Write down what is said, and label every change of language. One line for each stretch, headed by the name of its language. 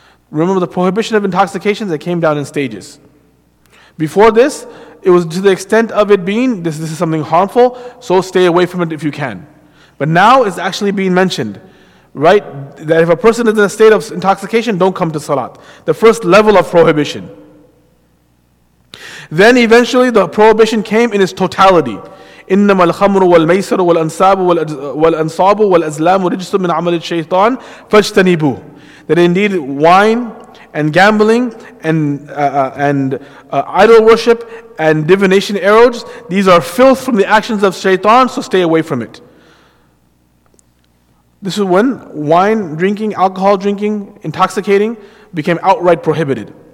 English: Remember, the prohibition of intoxication, that came down in stages. Before this, it was to the extent of it being, this is something harmful, so stay away from it if you can. But now it's actually being mentioned, right, that if a person is in a state of intoxication, don't come to salat. The first level of prohibition. Then eventually the prohibition came in its totality.
Arabic: إنما الخمر والميسر والأنصاب والأزلام رجس من عمل الشيطان فاجتنبوا.
English: That indeed wine and gambling and idol worship and divination arrows, these are filth from the actions of shaitan, so stay away from it. This is when wine drinking, alcohol drinking, intoxicating became outright prohibited.